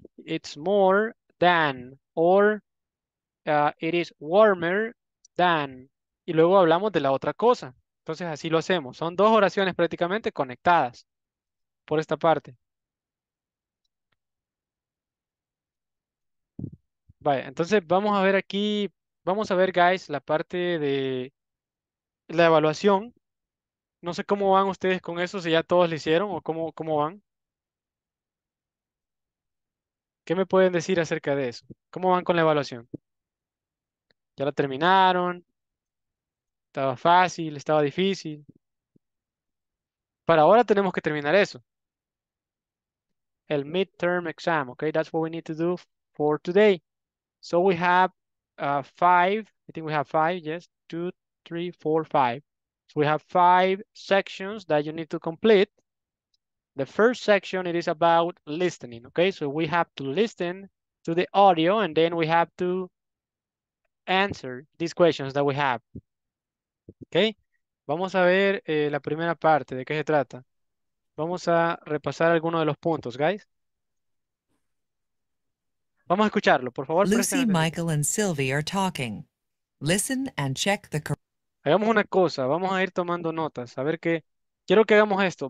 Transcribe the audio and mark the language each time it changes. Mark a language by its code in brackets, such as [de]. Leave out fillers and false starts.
[en] It's more than, or it is warmer than. [es] Y luego hablamos de la otra cosa. Entonces así lo hacemos. Son dos oraciones prácticamente conectadas por esta parte. Vaya, entonces vamos a ver aquí, vamos a ver, guys, la parte de la evaluación. No sé cómo van ustedes con eso, si ya todos lo hicieron o cómo van. ¿Qué me pueden decir acerca de eso? ¿Cómo van con la evaluación? ¿Ya la terminaron? ¿Estaba fácil? ¿Estaba difícil? Para ahora tenemos que terminar eso. El midterm exam, ok. [en] That's what we need to do for today. So we have five. I think we have five. Yes. Two, three, four, five. So we have five sections that you need to complete. The first section, it is about listening, okay? So we have to listen to the audio and then we have to answer these questions that we have. Okay? [es] Vamos a ver la primera parte, ¿de qué se trata? Vamos a repasar algunos de los puntos, guys. Vamos a escucharlo, por favor, presten [en] Lucy, [es] atención. [en] Michael, and Sylvie are talking. Listen and check the correct. [es] Hagamos una cosa, vamos a ir tomando notas. A ver qué. Quiero que hagamos esto.